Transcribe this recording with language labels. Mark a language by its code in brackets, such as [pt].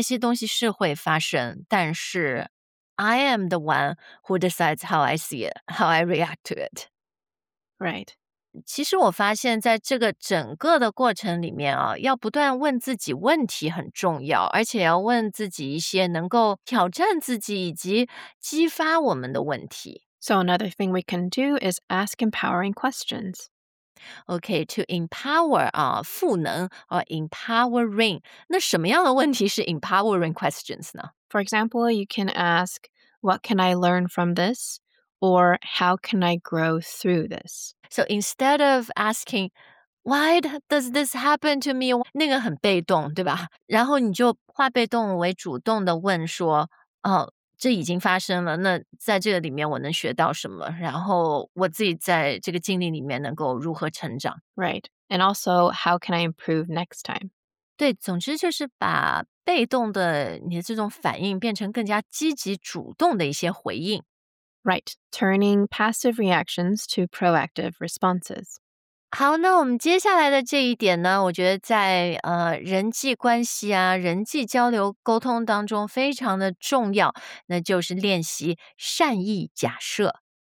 [zh] 那些东西是会发生，但是 [en] I am the one who decides how I see it, how I react to it. Right. [zh] 其实我发现在这个整个的过程里面啊，要不断问自己问题很重要，而且要问自己一些能够挑战自己以及激发我们的问题。 [en] So another thing we can do is ask empowering questions. Okay, to empower, 赋能 or empowering. [zh] 那什么样的问题是 [en] empowering questions [zh] 呢？ [en] For example, you can ask, what can I learn from this? Or how can I grow through this? So instead of asking, why does this happen to me? [zh] 那个很被动，对吧？然后你就化被动为主动的问说，哦，这已经发生了，那在这个里面我能学到什么？然后我自己在这个经历里面能够如何成长？ [en] Right. And also, how can I improve next time? [zh] 对，总之就是把被动的你的这种反应变成更加积极主动的一些回应。 [en] Right, turning passive reactions to proactive responses. [zh] 好，那我们接下来的这一点呢，我觉得在人际关系啊、人际交流沟通当中非常的重要，那就是练习善意假设。